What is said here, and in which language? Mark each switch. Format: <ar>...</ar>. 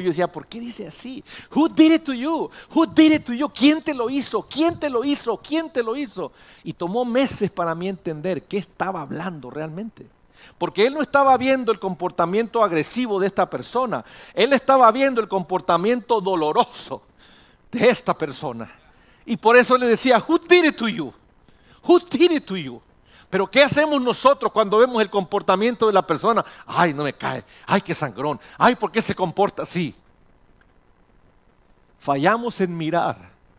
<es>Yo decía, "¿Por qué dice así?</es> <en>Who did it to you?</en> <es>Who did it to you? ¿Quién te lo hizo? ¿Quién te lo hizo? ¿Quién te lo hizo?" Y tomó meses para mí entender qué estaba hablando realmente. Porque él no estaba viendo el comportamiento agresivo de esta persona, él estaba viendo el comportamiento doloroso de esta persona. Y por eso le decía,</es> <en>"Who did it to you? Who did it to you?"</en> <es>Pero ¿qué hacemos nosotros cuando vemos el comportamiento de la persona? Ay, no me cae. Ay, qué sangrón. Ay, ¿por qué se comporta así? Fallamos en mirar.</es>